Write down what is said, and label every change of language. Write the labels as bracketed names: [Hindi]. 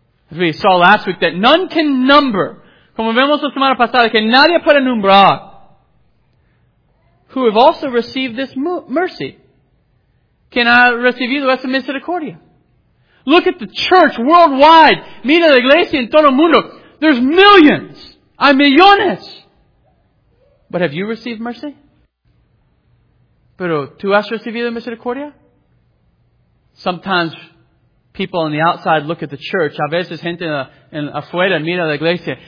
[English] As we saw last week, that none can number. [Spanish] Como vemos la semana pasada, que nadie puede nombrar. [English] Who have also received this mercy. Can I receive you the rest of misericordia? Look at the church worldwide. [Spanish] Mira la iglesia en todo el mundo. [English] There's millions. [Spanish] Hay millones. [English] But have you received mercy? [Spanish] Pero tú has recibido misericordia? [English] Sometimes people on the outside look at the church. [Spanish] A veces gente en afuera mira la iglesia.